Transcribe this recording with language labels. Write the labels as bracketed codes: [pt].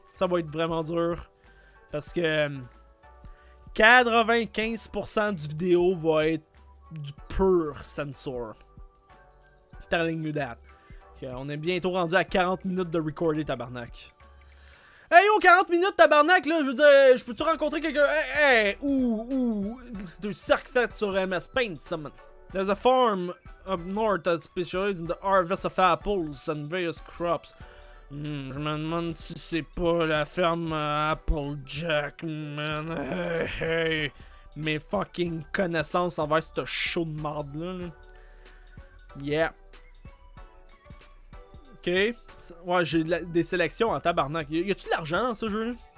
[fr] Ça va être vraiment dur. Parce que... 95% du vidéo va être du pur censor. [en] Telling you that. [fr] Okay, on est bientôt rendu à 40 minutes de recorder, tabarnak. Hey yo, 40 minutes, tabarnak, là, je veux dire, je peux-tu rencontrer quelqu'un? Hey, c'est un cercle fait sur MS Paint, ça, man. [en] There's a farm up north that specializes in the harvest of apples and various crops. [fr] Je me demande si c'est pas la ferme Applejack, man. Hey. Mes fucking connaissances envers ce show de marde là. Yeah. Ok. Ouais, j'ai des sélections en tabarnak. Y'a-tu de l'argent dans ce jeu?